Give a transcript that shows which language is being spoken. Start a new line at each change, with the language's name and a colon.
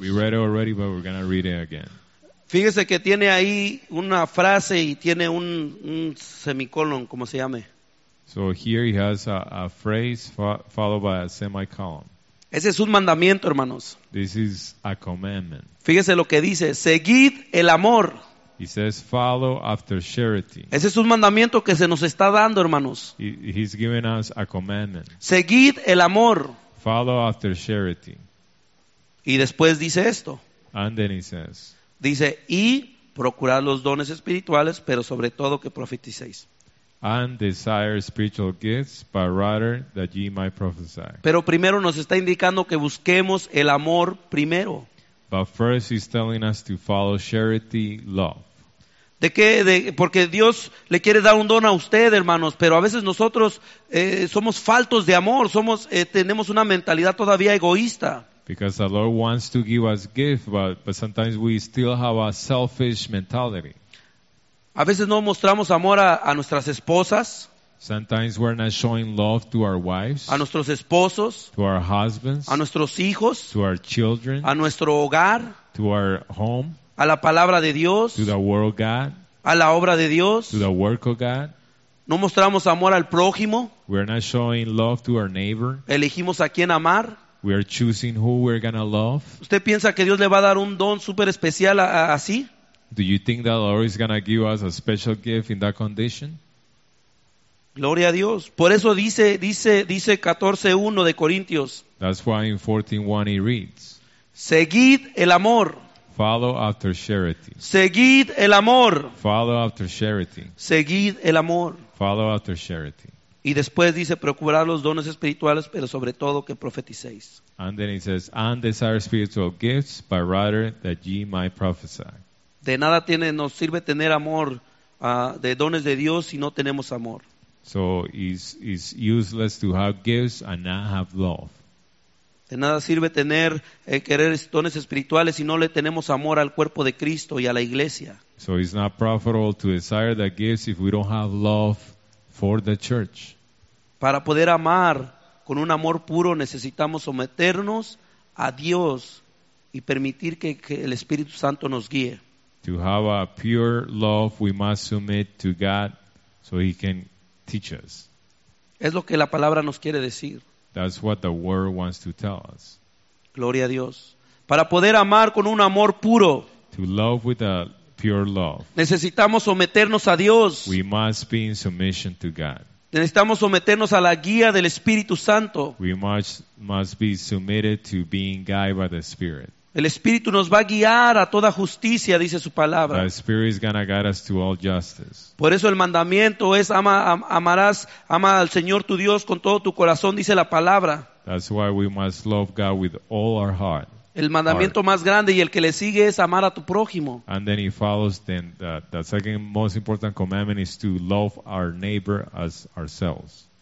English: We read it already, but we're going to read it again.
Spanish: Fíjese que tiene ahí una frase y tiene un semicolon, como se llame.
English: So here he has a phrase followed by a semicolon.
Spanish: Ese es un mandamiento, hermanos.
English: This is a commandment.
Spanish: Fíjese lo que dice, seguid el amor.
English: He says, follow after charity.
Spanish: Ese es un mandamiento que se nos está dando, hermanos.
English: He's giving us a commandment.
Spanish: Seguid el amor.
English: Follow after charity.
Spanish: Y después dice esto.
English: And then he says.
Spanish: Dice, y procurad los dones espirituales, pero sobre todo que profeticéis.
English: And desire spiritual gifts, but rather that ye might prophesy.
Spanish: Pero primero nos está indicando que busquemos el amor primero.
English: But first he's telling us to follow charity, love.
Spanish: ¿De qué? Porque Dios le quiere dar un don a usted, hermanos, pero a veces nosotros somos faltos de amor, tenemos una mentalidad todavía egoísta.
English: Because the Lord wants to give us gifts, but sometimes we still have a selfish mentality.
Spanish: A veces no mostramos amor a nuestras esposas.
English: Sometimes we're not showing love to our wives.
Spanish: A nuestros esposos.
English: To our husbands.
Spanish: A nuestros hijos.
English: To our children.
Spanish: A nuestro hogar.
English: To our home.
Spanish: A la palabra de Dios.
English: To the word of God.
Spanish: A la obra de Dios.
English: To the work of God.
Spanish: No mostramos amor al prójimo.
English: We're not showing love to our neighbor.
Spanish: Elegimos a quién amar.
English: We are choosing who we're going to love.
Spanish: ¿Usted piensa que Dios le va a dar un don super especial así?
English: Do you think that the Lord is going to give us a special gift in that condition?
Spanish: Gloria a Dios. Por eso dice 14:1 de Corintios.
English: That's why in 14:1 he reads.
Spanish: Seguid el amor.
English: Follow after charity.
Spanish: Seguid el amor.
English: Follow after charity.
Spanish: Seguid el amor.
English: Follow after charity.
Spanish: Y después dice, procurar los dones espirituales, pero sobre todo que profeticéis.
English: And then he says, and desire spiritual gifts, but rather that ye might prophesy.
Spanish: De nada nos sirve tener amor de dones de Dios si no tenemos amor.
English: So it's useless to have gifts and not have love.
Spanish: De nada sirve tener querer dones espirituales si no le tenemos amor al cuerpo de Cristo y a la iglesia.
English: So it's not profitable to desire the gifts if we don't have love for the church.
Spanish: Para poder amar con un amor puro necesitamos someternos a Dios y permitir que el Espíritu Santo nos guíe.
English: To have a pure love, we must submit to God so he can teach us.
Spanish: Es lo que la palabra nos quiere decir.
English: That's what the word wants to tell us.
Spanish: Gloria a Dios. Para poder amar con un amor puro.
English: To love with a pure love.
Spanish: Necesitamos someternos a Dios.
English: We must be in submission to God.
Spanish: Necesitamos someternos a la guía del Espíritu Santo.
English: We must be submitted to being guided by the Spirit.
Spanish: El Espíritu nos va a guiar a toda justicia, dice su palabra.
English: The Spirit is going to guide us to all justice.
Spanish: Por eso el mandamiento es ama al Señor tu Dios con todo tu corazón, dice la palabra.
English: That's why we must love God with all our heart.
Spanish: El mandamiento más grande y el que le sigue es amar a tu prójimo.
English: And then he follows then the second most important commandment is to love our neighbor as ourselves.